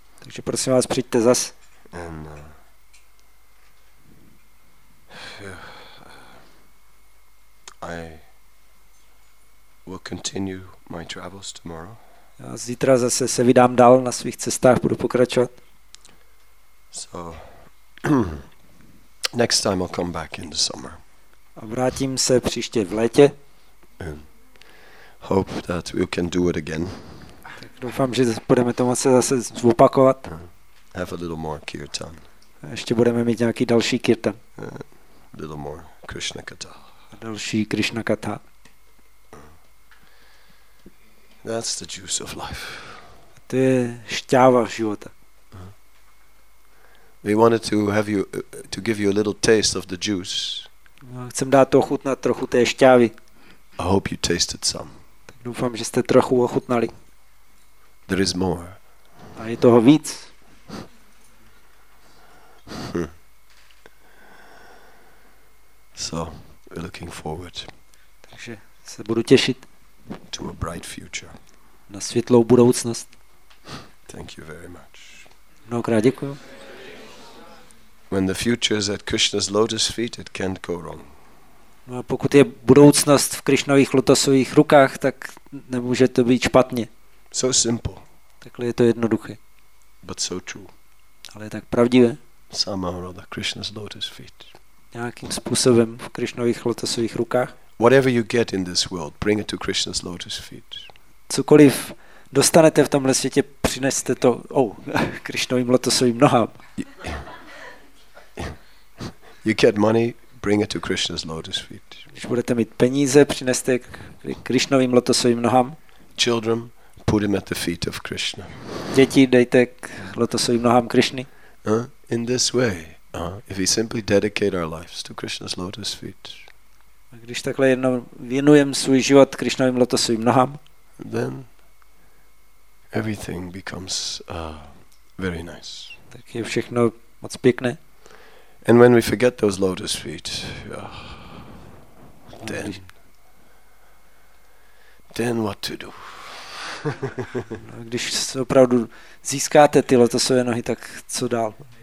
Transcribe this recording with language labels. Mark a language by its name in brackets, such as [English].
[Czech] Takže prosím vás, přijďte zas. [English] And, I will continue my travels tomorrow. [Czech] Já zítra zase se vydám dál na svých cestách, budu pokračovat. [English] So next time I'll come back in the summer. [Czech] A vrátím se příště v létě. [English] Hope that we can do it again. [Czech] Tak doufám, že budeme to moci zase zopakovat. [English] Have a little more kirtan. [Czech] A ještě budeme mít nějaký další kirtan. [English] A little more Krishna katha. [Czech] A další Krishna katha. [English] That's the juice of life. [Czech] A to je šťáva života. [English] We wanted to have you to give you a little taste of the juice. [Czech] No, chcem dát to ochutnat trochu té šťávy. [English] I hope you tasted some. [Czech] Tak doufám, že jste trochu ochutnali. [English] There is more. [Czech] A je toho víc. [English] So, we're looking forward. [Czech] Takže se budu těšit. [English] To a bright future. [Czech] Na světlou budoucnost. [English] Thank you very much. [Czech] Mnohokrát děkuju. [English] When the future is at Krishna's lotus feet, it can't go wrong. [Czech] No a pokud je budoucnost v Krishnových lotosových rukách, tak nemůže to být špatně. [English] So simple. [Czech] Takhle je to jednoduché. [English] But so true. [Czech] Ale je tak pravdivé. [English] Somehow or other, Krishna's lotus feet. [Czech] Nějakým způsobem v Krishnových lotosových rukách. [English] Whatever you get in this world, bring it to Krishna's lotus feet. [Czech] Cokoliv dostanete v tomhle světě, přineste to Krishnovým lotosovým nohám. [English] You get money, bring it to Krishna's lotus feet. [Czech] Když budete mít peníze, přineste k Krishnovým lotosovým nohám. [English] Children, put them at the feet of Krishna. [Czech] Děti, dejte k lotosovým nohám Krishny. [English] In this way, if we simply dedicate our lives to Krishna's lotus feet. [Czech] A když takhle jenom věnujeme svůj život Krishnovým lotosovým nohám, [English] then everything becomes very nice. [Czech] Tak je všechno moc pěkné. [English] And when we forget those lotus feet, then what to do? [Czech] Když se opravdu získáte ty lotosové nohy, tak co dál?